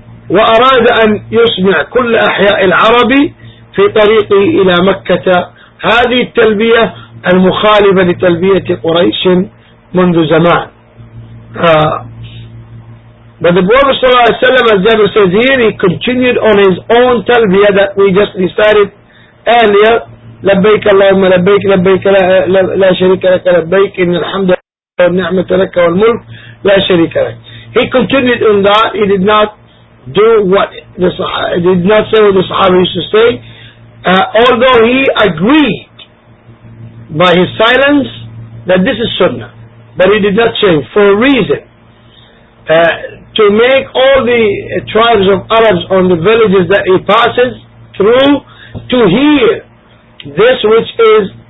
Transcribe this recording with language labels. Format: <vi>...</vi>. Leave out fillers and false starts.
<ar>وأراد أن يسمع كل أحياء العرب في طريقه إلى مكة هذه التلبية المخالفة لتلبية قريش منذ زمان.</ar> <en>But the Prophet</en> <ar>صلى الله عليه وسلم,</ar> <en>as Jabir says here, he continued on his own تلبية that we just recited earlier.</en> <ar>لبيك اللهم لبيك، لبيك لا شريك لك، لبيك إن الحمد والنعمة لك والملك لا شريك لك.</ar> <en>He continued on that. He did not do what the did not say what the Sahaba used to say, although he agreed by his silence that this is sunnah, but he did not change for a reason, to make all the tribes of Arabs on the villages that he passes through to hear this, which is</en>